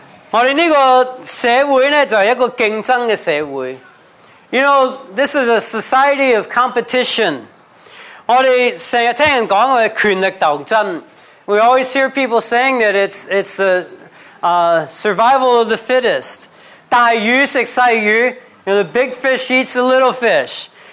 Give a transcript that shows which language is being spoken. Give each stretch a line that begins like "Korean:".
Chinese: 我们这个社会呢，就是一个竞争的社会.
English: You know, this is a society of competition.
Chinese: 我们经常听人说的权力斗争.
English: We always hear people saying that it's the survival of the fittest.
Chinese: 大鱼食细鱼,
English: you know, the big fish eats the little fish.